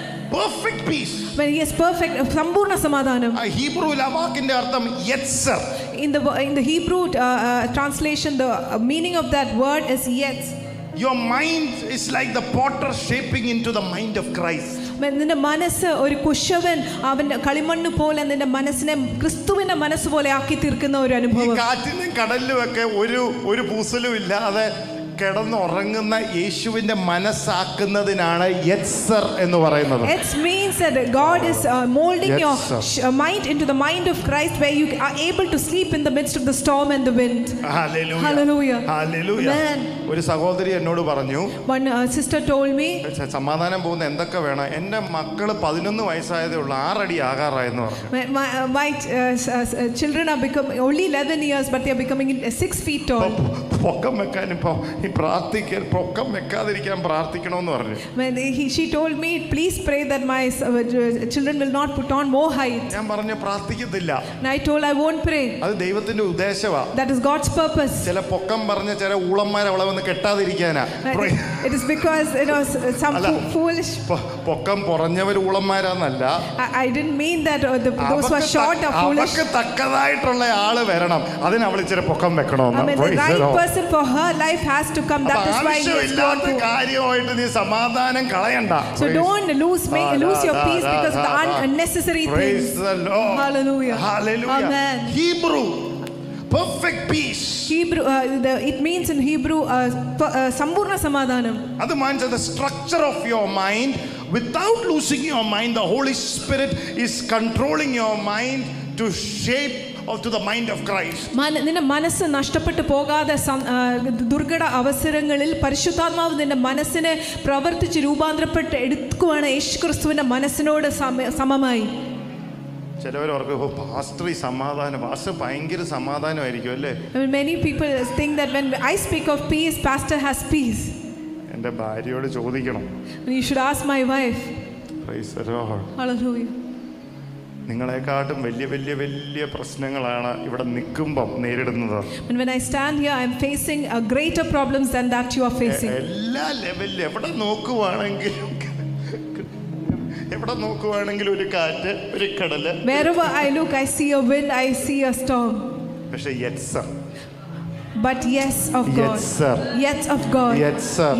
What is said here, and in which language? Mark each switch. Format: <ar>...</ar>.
<en>Perfect peace. When he is perfect</en> <ml>sampurna samadhanam. Hebrew la vakinte artham yetzer.</ml> <en>In the Hebrew translation the meaning of that word is yetz. Your mind is like the potter shaping into the mind of Christ.</en> <ml>നിന്റെ മനസ്സ് ഒരു കുശവൻ അവന്റെ കളിമണ്ണ് പോലെ നിന്റെ മനസ്സിനെ ക്രിസ്തുവിന്റെ മനസ്സ് പോലെ ആക്കി തീർക്കുന്ന ഒരു അനുഭവം. കാറ്റിലും കടലിലും ഒക്കെ ഒരു ഒരു പൂസലും ഇല്ലാതെ കിടന്നുറങ്ങുന്ന യേശുവിന്റെ മനസ്സാക്കുന്നതിനാണ് യെറ്റ്സർ എന്ന് പറയുന്നത്.</ml> <en>Yetz means that God is molding your mind into the mind of Christ where you are able to sleep in the midst of the storm and the wind. Hallelujah. Hallelujah.</en> <ml>Hallelujah. ഒരു സഹോദരി എന്നോട് പറഞ്ഞു.</ml> <en>One sister told me.</en> <ml>സമാധാനം പോകുന്ന എന്തൊക്കെ വേണം എന്റെ മക്കള് 11 വയസ്സായതേ ഉള്ളൂ 6 അടി ആകാറായെന്ന് പറഞ്ഞു.</ml> <en>My children are become only 11 years but they are becoming 6 feet tall.</en> <ml>പൊക്കം വെക്കാൻ ഇപ്പോ പൊക്കം വെക്കാതിരിക്കാൻ പ്രാർത്ഥിക്കണമെന്ന് പറഞ്ഞു.</ml> <en>She told me, please pray that my children will not put on more height.</en> <ml>ഞാൻ പറഞ്ഞു പ്രാർത്ഥിക്കത്തില്ല.</ml> <en>I told I won't pray.</en> <ml>അത് ദൈവത്തിന്റെ ഉദ്ദേശമാ.</ml> <en>That is God's purpose.</en> <ml>ചില പൊക്കം പറഞ്ഞ ചില ഊളന്മാരെ അവളെ വന്ന് കെട്ടാതിരിക്കാനാ.</ml> <en>It is because you know some foolish.</en> <ml>പൊക്കം പറഞ്ഞവർ ഊളന്മാരാന്നല്ല.</ml> <en>I didn't mean that those were short or foolish.</en> <ml>അവർക്ക് തക്കതായിട്ടുള്ള ആള് വരണം. അതിന് അവൾ ചില പൊക്കം വെക്കണമെന്ന്.</ml> <en>The right person for her life has to come. That is why you don't have</en> <ml>കാര്യമായിട്ട് നീ സമാധാനം കളയണ്ട.</ml> <en>So don't lose your peace because of the unnecessary things. Praise the Lord. Hallelujah. Hallelujah. Amen. Hebrew perfect peace. Hebrew it means in Hebrew</en> <ml>sampurna samadhanam.</ml> <en>That means the structure of your mind without losing your mind the Holy Spirit is controlling your mind to shape of to the mind of Christ.</en> <ml>നിന്റെ മനസ്സ് നഷ്ടപ്പെട്ടു പോകാതെ ദുർഘട അവസരങ്ങളിൽ പരിശുദ്ധാത്മാവ് നിന്റെ മനസ്സിനെ പ്രവർത്തിച്ച് രൂപാന്തരപ്പെട്ട് എടുക്കുവാണ് യേശുക്രിസ്തുവിന്റെ മനസ്സിനോട് സമമായി. ചിലവരവർക്ക് പാസ്റ്ററി സമാധാനം ആസ് ഭയങ്കര സമാധാനമായിരിക്കും അല്ലേ.</ml> <en>Many people think that when I speak of peace, pastor has peace.</en> <ml>എന്റെ ഭാര്യയോട് ചോദിക്കണം.</ml> <en>You should ask my wife. Praise the Lord. Hallelujah.</en> <ml>നിങ്ങളെക്കാട്ടും വലിയ വലിയ വലിയ പ്രശ്നങ്ങളാണ് ഇവിടെ നിൽക്കുമ്പം നേരിടുന്നത്.</ml> <en>And when I stand here, I am facing a greater problems than that you are facing.</en> <ml>എല്ലാ ലെവലിൽ എവിടെ നോക്കുവാണെങ്കിലും എവിടെ നോക്കുവാണെങ്കിലും ഒരു കാറ്റ് ഒരു കടൽ.</ml> <en>Wherever I look, I see a wind, I see a storm.</en> <ml>പക്ഷേ Yetzer.</ml> <en>But yes of God.</en> <he>Yetzer.</he> <en>Yes of God.</en> <he>Yetzer.</he>